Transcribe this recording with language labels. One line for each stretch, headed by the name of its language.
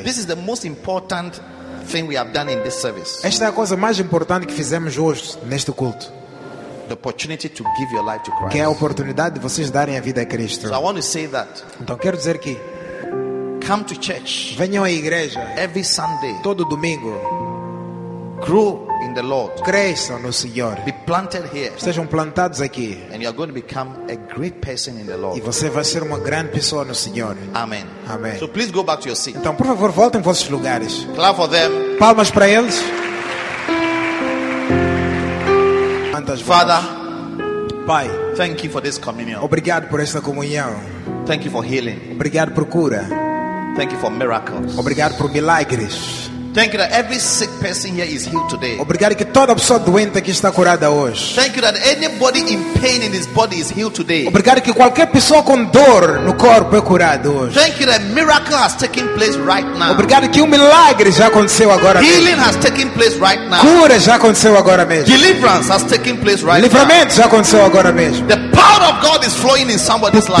English: This is the most important thing we have done in this service.
Portuguese: Esta é a coisa mais importante que fizemos hoje neste culto.
English: The opportunity to give your life to Christ.
Portuguese: Que é a oportunidade de vocês darem a vida a Cristo.
English: So I want to say that.
Portuguese: Então quero dizer que
English: come to church.
Portuguese: Venham à igreja.
English: Every Sunday.
Portuguese: Todo domingo.
English: Grow in the Lord.
Portuguese: Cresçam no Senhor.
English: Be planted here.
Portuguese: Sejam plantados aqui.
English: And you are going to become a great person in the Lord.
Portuguese: E você vai ser uma grande pessoa no Senhor.
English: Amen.
Portuguese: Amém.
English: So please go back to your seat.
Portuguese: Então, por favor, voltem para os seus lugares.
English: Clap for them.
Portuguese: Palmas para eles.
English: Father,
Portuguese: Pai,
English: thank you for this communion.
Portuguese: Obrigado por esta comunhão.
English: Thank you for healing.
Portuguese: Obrigado por cura.
English: Thank you for miracles.
Portuguese: Obrigado por milagres.
English: Thank you that every sick person here is healed today.
Portuguese: Obrigado que toda pessoa doente aqui está curada hoje.
English: Thank you that anybody in pain in his body is healed today.
Portuguese: Obrigado que qualquer pessoa com dor no corpo é curada hoje.
English: Thank you that miracle has taken place right now.
Portuguese: Obrigado que milagre já aconteceu agora.
English: Healing has taken place right now.
Portuguese: Cura já aconteceu agora mesmo.
English: Deliverance has taken place right now.
Portuguese: Livramento já aconteceu agora mesmo.
English: The power of God is flowing in somebody's life.